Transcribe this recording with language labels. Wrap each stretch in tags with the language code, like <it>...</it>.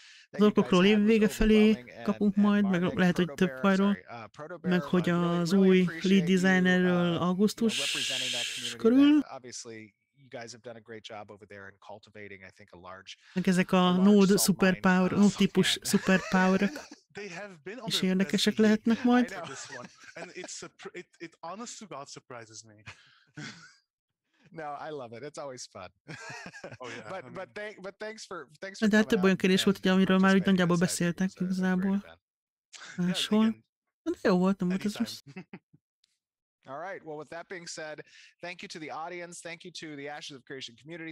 <hu>Az orkokról évvége felé kapunk majd, meg lehet, hogy több fajról, meg hogy az új lead designerről augusztus körül.</hu> <en>You guys have done a great job over there in cultivating, I think, a large.</en> <hu>Meg ezek a node superpower, node típus superpowerek.</hu> <en>They have been</en> <hu>is érdekesek lehetnek majd.</hu> <en>And it honest to God surprises me. No, I love it. It's always fun. Oh, yeah. But thanks.</en> <hu>De hát több olyan kérdés volt, hogy amiről már úgy nagyjából beszéltek igazából. Máshol. De jó volt, nem volt ez rossz.</hu> <en>All right. Well, with that being said, thank you to the audience. Thank you to the Ashes of Creation community.</en>